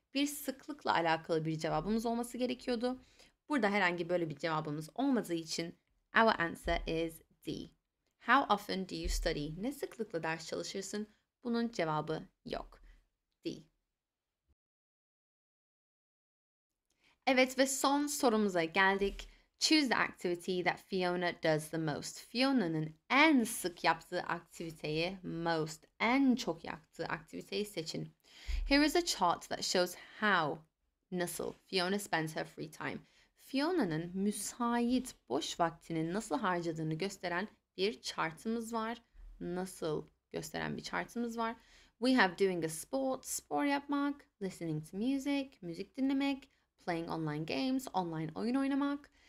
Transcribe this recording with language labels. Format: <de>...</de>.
<tr>Bir sıklıkla alakalı bir cevabımız olması gerekiyordu. Burada herhangi böyle bir cevabımız olmadığı için</tr> <en>our answer is D. How often do you study?</en> <tr>Ne sıklıkla ders çalışırsın? Bunun cevabı yok. D. Evet, ve son sorumuza geldik.</tr> <en>Choose the activity that Fiona does the most.</en> <tr>Fiona'nın en sık yaptığı aktiviteyi, most, en çok yaptığı aktiviteyi seçin.</tr> <en>Here is a chart that shows how, nasıl, Fiona spends her free time.</en> <tr>Fiona'nın müsait, boş vaktini nasıl harcadığını gösteren bir chartımız var. Nasıl gösteren bir chartımız var.</tr> <en>We have doing a sport,</en> <tr>spor yapmak,</tr> <en>listening to music,</en> <tr>müzik dinlemek,</tr> <en>playing online games,</en> <tr>online oyun oynamak,</tr>